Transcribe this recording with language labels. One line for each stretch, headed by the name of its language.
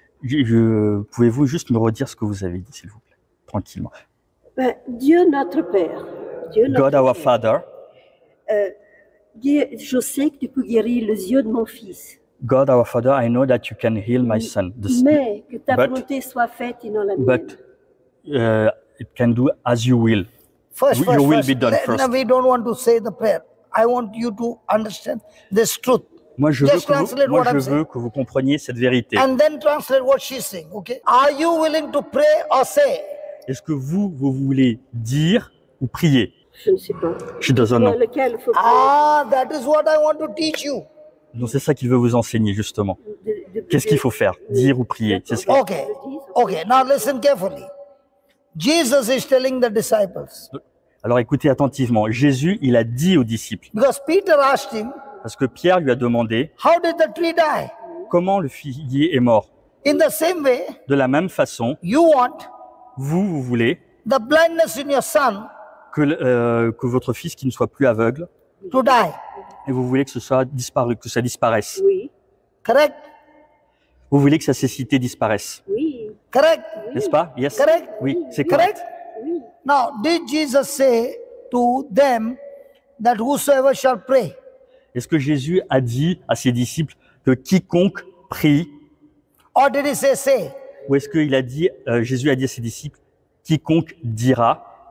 French: Pouvez-vous juste me redire ce que vous avez dit, s'il vous plaît, tranquillement. Ben, Dieu notre Père. Dieu notre
English: God
French: Père.
English: Our Father.
French: Je sais que tu peux guérir les yeux de mon fils.
English: God our Father, I know that you can heal my son.
French: Mais que ta volonté soit faite et non la mienne.
English: But it can do as you will. First, your will be done first. No, we don't want to say the prayer. I want you to understand this truth.
French: Moi, je veux, que vous compreniez cette vérité.
English: And then translate what she's saying. Okay? Are you willing to pray or say?
French: Est-ce que vous voulez dire ou prier? Je ne sais pas.
English: She doesn't know. Ah, that is what I want to teach you.
French: Donc c'est ça qu'il veut vous enseigner justement. Qu'est-ce qu'il faut faire? Dire ou prier? C'est ce
English: okay. Okay. Now listen carefully. Jesus is telling the disciples.
French: Alors écoutez attentivement. Jésus, il a dit aux disciples.
English: Because Peter asked him.
French: Parce que Pierre lui a demandé.
English: How did the tree die?
French: Comment le figuier est mort?
English: In the same way.
French: De la même façon.
English: You want.
French: Vous voulez.
English: The blindness in your son.
French: Que votre fils qui ne soit plus aveugle.
English: To die.
French: Et vous voulez que ce soit disparu, que ça disparaisse. Oui.
English: Correct.
French: Vous voulez que sa cécité disparaisse. Oui.
English: Correct.
French: N'est-ce pas? Yes.
English: Correct.
French: Oui, c'est correct. Oui.
English: Now, did Jesus say to them that whosoever shall pray?
French: Est-ce que Jésus a dit à ses disciples que quiconque prie?
English: Or did he say say?
French: Ou est-ce qu'il a dit, Jésus a dit à ses disciples, quiconque dira?